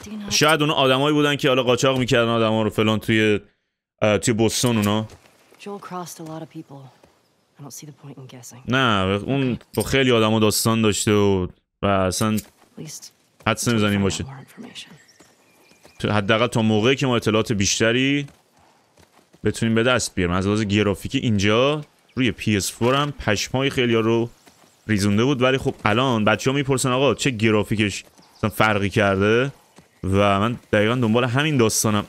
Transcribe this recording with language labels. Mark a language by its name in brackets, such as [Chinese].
[Persian] شاید اونا آدم هایی بودن که حالا قاچاق میکردن آدم ها رو فلان توی توی بوستون اونا. [English] Joel crossed a lot of people. I don't see the point in guessing. [Persian] نه اون با خیلی آدم و داستان داشته و اصلا حدس نمیزنیم باشه. حداقل تا موقعی که ما اطلاعات بیشتری بتونیم به دست بیاریم. از لحاظ گرافیکی اینجا روی PS4 هم پشمای خیلی ها رو ریزونده بود، ولی خب الان بچه ها میپرسن آقا چه گرافیکش مثلا فرقی کرده و من دقیقا دنبال همین داستانم.